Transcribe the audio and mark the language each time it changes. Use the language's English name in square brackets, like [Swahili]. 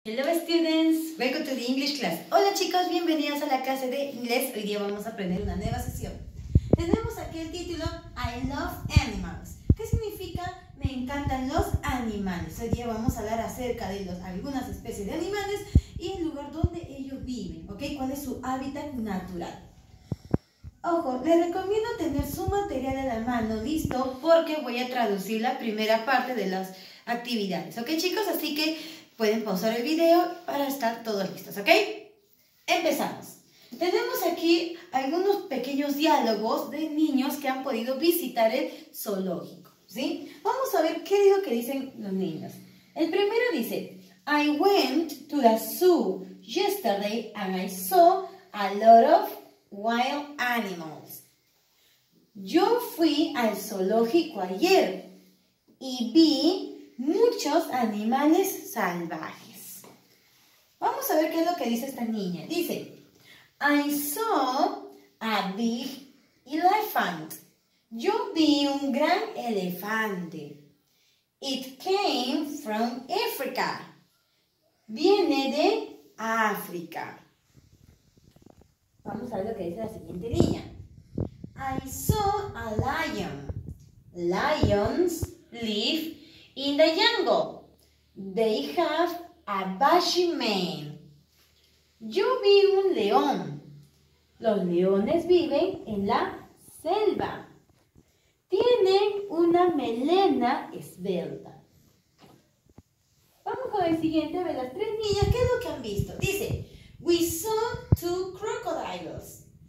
[English] Hello students, welcome to the English class. [Spanish] Hola chicos, bienvenidos a la clase de inglés. Hoy día vamos a aprender una nueva sesión. Tenemos aquí el título [English] I love animals. [Spanish] ¿Qué significa? Me encantan los animales. Hoy día vamos a hablar acerca de algunas especies de animales y el lugar donde ellos viven, ¿ok? ¿Cuál es su hábitat natural? Ojo, les recomiendo tener su material a la mano, ¿listo? Porque voy a traducir la primera parte de las actividades, ¿ok chicos? Así que pueden pausar el video para estar todos listos, ¿ok? Empezamos. Tenemos aquí algunos pequeños diálogos de niños que han podido visitar el zoológico, ¿sí? Vamos a ver qué es lo que dicen los niños. El primero dice, [English] I went to the zoo yesterday and I saw a lot of wild animals. [Spanish] Yo fui al zoológico ayer y vi muchos animales salvajes. Vamos a ver qué es lo que dice esta niña. Dice, [English] I saw a big elephant. [Spanish] Yo vi un gran elefante. [English] It came from Africa. [Spanish] Viene de África. Vamos a ver lo que dice la siguiente niña. [English] I saw a lion. Lions live in the jungle, they have a bushy mane. [Spanish] Yo vi un león. Los leones viven en la selva. Tienen una melena esbelta. Vamos con el siguiente de las tres niñas. ¿Qué es lo que han visto? Dice, [English] we saw two crocodiles.